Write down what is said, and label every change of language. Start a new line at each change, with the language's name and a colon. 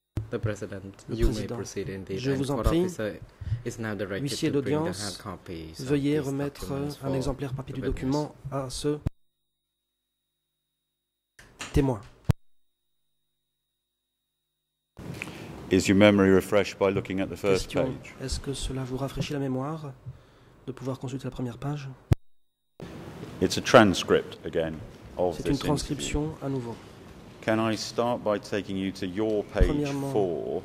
English: The President, you may proceed in the court officer is now directed to bring the hard copies.
French: Veuillez remettre un exemplaire papier du document à ce témoin.
English: Is your memory refreshed by looking at the first question, page?
French: Est-ce que cela vous rafraîchit la mémoire de pouvoir consulter la première page?
English: It's a transcript again of
French: c'est une transcription à nouveau.
English: Can I start by taking you to your page 4?